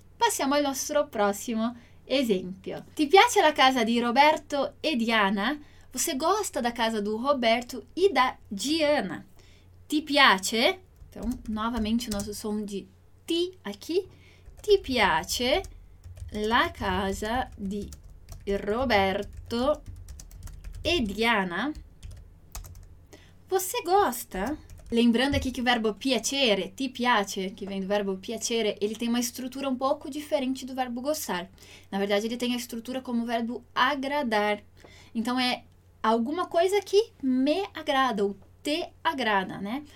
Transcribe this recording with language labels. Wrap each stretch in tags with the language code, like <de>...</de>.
<it>Passiamo al nostro prossimo esempio. Ti piace la casa di Roberto e Diana?</it> <pt>Você gosta da casa do Roberto e da Diana?</pt> <it>Ti piace?</it> <pt>Então, novamente o nosso som de ti aqui.</pt> <it>Ti piace la casa di Roberto e Diana?</it> <pt>Você gosta? Lembrando aqui que o verbo piacere,</pt> <it>ti piace,</it> <pt>que vem do verbo piacere, ele tem uma estrutura um pouco diferente do verbo gostar. Na verdade, ele tem a estrutura como o verbo agradar. Então, é alguma coisa que me agrada ou te agrada, né?</pt>